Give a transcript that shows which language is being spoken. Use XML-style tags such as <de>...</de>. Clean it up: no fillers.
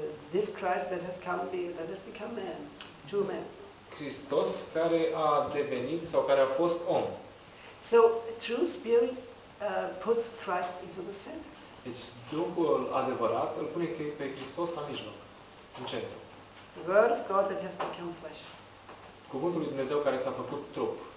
<en>This Christ that has come, that has become man, true man.</en> <ro>Hristos care a devenit sau care a fost om.</ro> <en>So the true spirit puts Christ into the center.</en> <ro>Deci Duhul adevărat îl pune pe Hristos la mijloc, în centru.</ro> <en>The word of God that has become flesh.</en> <ro>Cuvântul lui Dumnezeu care s-a făcut trup.</ro>